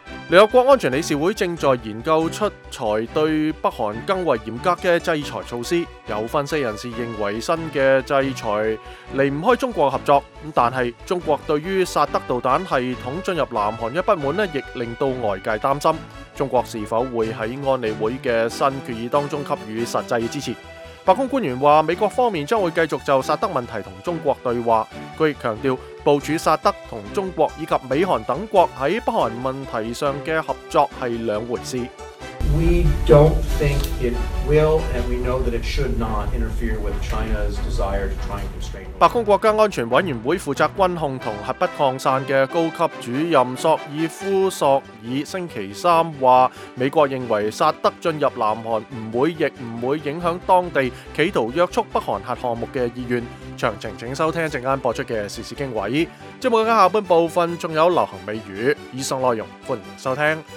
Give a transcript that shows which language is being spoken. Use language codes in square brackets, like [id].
[zh] 联合国安全理事会正在研究出台对北韩更为严格的制裁措施，有分析人士认为新的制裁离不开中国合作，但是中国对于萨德导弹系统进入南韩的不满亦令到外界担心，中国是否会在安理会的新决议当中给予实际支持。白宫官员说，美国方面将会继续就萨德问题和中国对话，他亦强调部署萨德和中国以及美韩等国在北韩问题上的合作是两回事。 [en] We don't think it will, and we know that it should not interfere with China's desire to try and constrain. [zh] 白宫国家安全委员会负责军控和核不扩散的高级主任索尔夫索尔星期三说，美国认为萨德进入南韩不会亦不会影响当地企图约束北韩核项目的意愿。详情请收听阵间播出的时事经纬。节目的下半部分还有流行美语，以上内容欢迎收听。